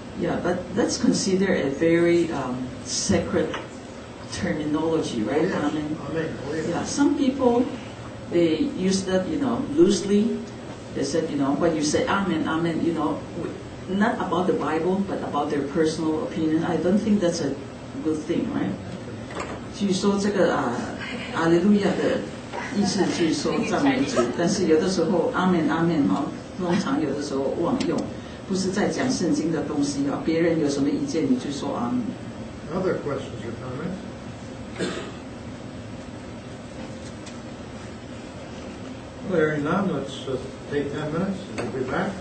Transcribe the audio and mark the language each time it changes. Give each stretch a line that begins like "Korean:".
English: Yeah, but that's considered a very sacred terminology, right? Oh, yes. Amen. Amen. Oh, yes. Yeah, some people, they use that, you know, loosely. They said, you know, when you say Amen, Amen, you know, not about the Bible, but about their personal opinion. I don't think that's a good thing, right?
Chinese: 据说这个Alleluia 的意思据说赞美主，但是有的时候Amen, Amen, 哦，通常有的时候忘用。不是在讲圣经的东西啊！别人有什么意见，你就说啊。
English: Other questions or comments? Larry, now let's take 10 minutes and we'll be back.